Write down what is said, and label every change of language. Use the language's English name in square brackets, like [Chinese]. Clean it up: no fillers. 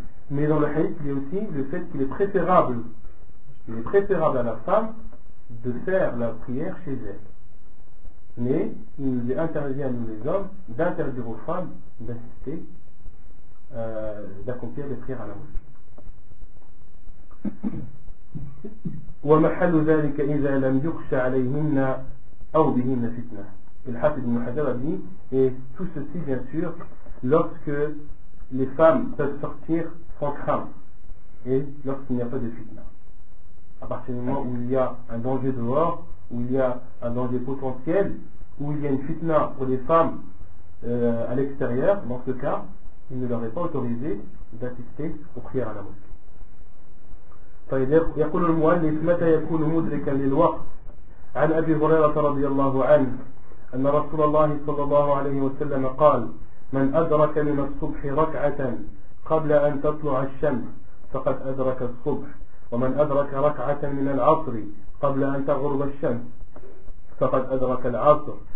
[French] Mais dans le hadith, il y a aussi le fait qu'il est préférable. Il est préférable à la femme de faire la prière chez elle. Mais il nous est interdit à nous les hommes d'interdire aux femmes d'assister, d'accomplir des prières à la mosquée. [Arabic] ومحل ذلك إذا لم يخشى عليهن أو بهن فتنة. الحافظ ابن حجر قال: [French] et tout ceci bien sûr lorsque les femmes peuvent sortir sans crainte et lorsqu'il n'y a pas de fitna. À partir du moment où il y a un danger dehors, où il y a un danger potentiel, où il y a une fitna pour les femmes à l'extérieur, dans ce cas, il ne leur est pas autorisé d'assister aux prières à la mosquée. [Arabic] يقول المؤلف: متى يكون مدركا للوقت؟ عن أبي هريرة رضي الله عنه أن رسول الله صلى الله عليه وسلم قال: من أدرك من الصبح ركعة قبل أن تطلع الشمس فقد أدرك الصبح، ومن أدرك ركعة من العصر قبل أن تغرب الشمس فقد أدرك العصر.